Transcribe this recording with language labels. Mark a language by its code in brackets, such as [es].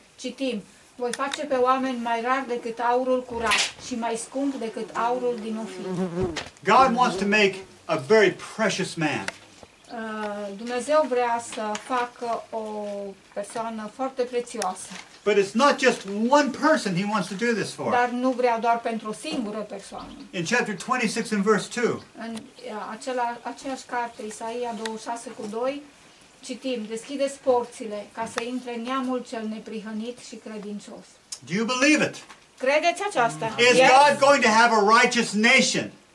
[ro] Citim: voi face pe oameni mai rar decât aurul curat și mai scump decât aurul din Ofir. [en] God wants to make a very precious man. [ro] Dumnezeu vrea să facă o persoană foarte prețioasă. [en] But it's not just one person he wants to do this for. [ro] Dar nu vrea doar pentru o singură persoană. [en] In chapter 26 and verse 2. [ro] În aceeași carte, Isaia 26:2, citim: deschideți porțile ca să intre neamul cel neprihănit și credincios. [en] Do you believe it? [ro] Credeți aceasta? [en] Is God going to have a righteous nation?